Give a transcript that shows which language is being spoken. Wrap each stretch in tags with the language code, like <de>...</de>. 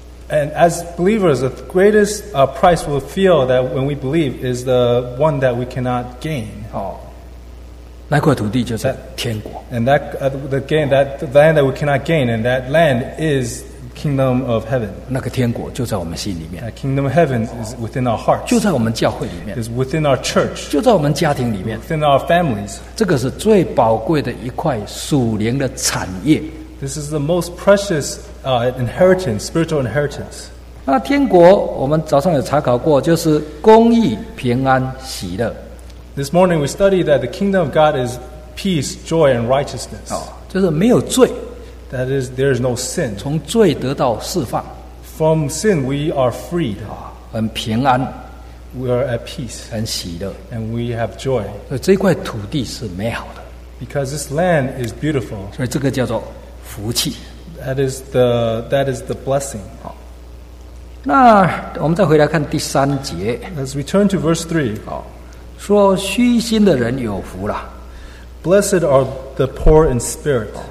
<en>And as believers, the greatest price we'll feel that when we believe is the one that we cannot gain.</en> <zh>那块土地就是天国。</zh> <en>And that land that we cannot gain, and that land is kingdom of heaven.</en> <zh>那个天国就在我们心里面。</zh> <en>That kingdom of heaven is within our hearts.</en> <zh>就在我们教会里面。</zh> <en>Is within our church.</en> <zh>就在我们家庭里面。</zh> <en>Within our families.</en> <zh>这个是最宝贵的一块属灵的产业。</zh> <en>This is the most precious inheritance, spiritual inheritance.</en> <zh>那天国，我们早上有查考过，就是公义、平安、喜乐。</zh> <en>This morning we studied that the kingdom of God is peace, joy, and righteousness.</en> <zh>就是没有罪。</zh> <en>That is, there is no sin.</en> <zh>从罪得到释放,</zh> <en>From sin, we are freed.</en> <zh>啊, 很平安,</zh> <en>we are at peace.</en> <zh>很喜乐,</zh> <en>and we have joy.</en> <zh>所以这块土地是美好的,</zh> <en>because this land is beautiful.</en> <zh>所以这个叫做福气,</zh> <en>that is the blessing.</en> <zh>那我们再回来看第三节,</zh> <en>Let's return to verse 3.</en> <zh>好, 说虚心的人有福了,</zh> <en>Blessed are the poor in spirit.</en>